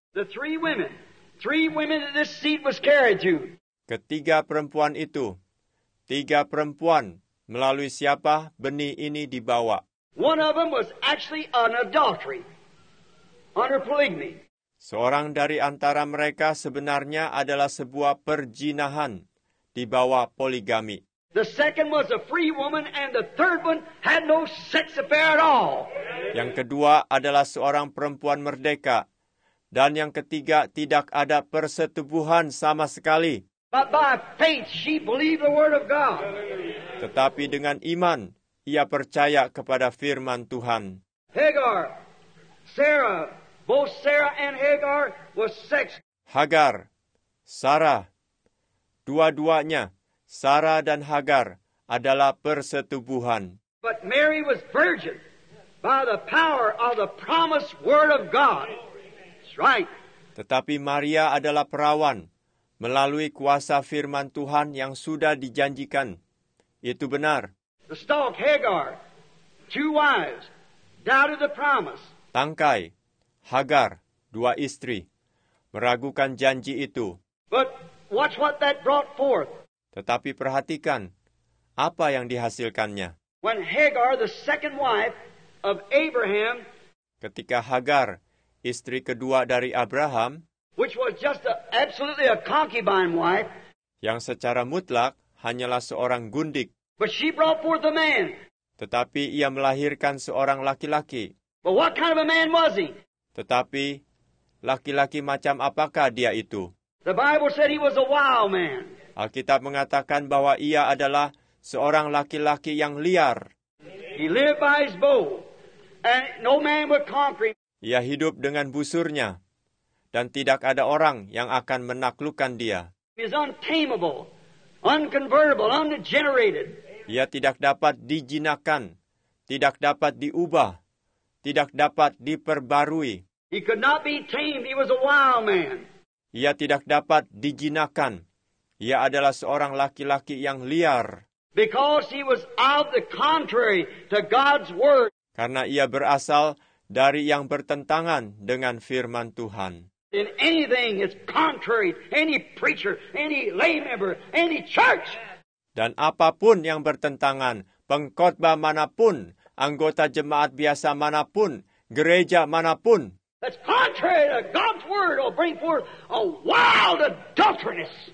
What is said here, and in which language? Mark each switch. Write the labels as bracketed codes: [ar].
[en] The three women that this seed was carried to. [id] Ketiga perempuan itu, tiga perempuan melalui siapa benih ini dibawa. [en] One of them was actually an adultery under polygamy. [id] Seorang dari antara mereka sebenarnya adalah sebuah perzinahan di bawah poligami. [en] The second was a free woman, and the third one had no sex affair at all. [id] Yang kedua adalah seorang perempuan merdeka, dan yang ketiga tidak ada persetubuhan sama sekali. [en] But by faith she believed the word of God. [id] Tetapi dengan iman ia percaya kepada firman Tuhan. [en] Hagar, Sarah, both Sarah and Hagar was sex. [id] Hagar, Sarah, dua-duanya, Sarah dan Hagar adalah persetubuhan. [en] But Mary was virgin by the power of the promised word of God. That's right. [id] Tetapi Maria adalah perawan melalui kuasa firman Tuhan yang sudah dijanjikan. Itu benar. [en] The stalk Hagar, two wives, doubted the promise. [id] Tangkai, Hagar, dua istri, meragukan janji itu. [en] But watch what that brought forth. [id] Tetapi perhatikan apa yang dihasilkannya. [en] When Hagar, the second wife of Abraham, [id] ketika Hagar, istri kedua dari Abraham, [en] which was just absolutely a concubine wife, [id] yang secara mutlak hanyalah seorang gundik. [en] But she brought forth a man. [id] Tetapi ia melahirkan seorang laki-laki. [en] But what kind of a man was he? [id] Tetapi laki-laki macam apakah dia itu? [en] The Bible said he was a wild man. [id] Alkitab mengatakan bahwa ia adalah seorang laki-laki yang liar. [en] He lived by his bow, and no man would conquer him. [id] Ia hidup dengan busurnya, dan tidak ada orang yang akan menaklukkan dia. [en] He is untamable, unconvertible, unregenerated. [id] Ia tidak dapat dijinakan, tidak dapat diubah, tidak dapat diperbarui. [en] He could not be tamed. He was a wild man. [id] Ia tidak dapat dijinakan. Ia adalah seorang laki-laki yang liar. [en] Because he was of the contrary to God's word. [id] Karena ia berasal dari yang bertentangan dengan firman Tuhan. [en] In anything is contrary, any preacher, any lay member, any church. [id] Dan apapun yang bertentangan, pengkhotbah manapun, anggota jemaat biasa manapun, gereja manapun. [en] That's contrary to God's word will bring forth a wild adulteress.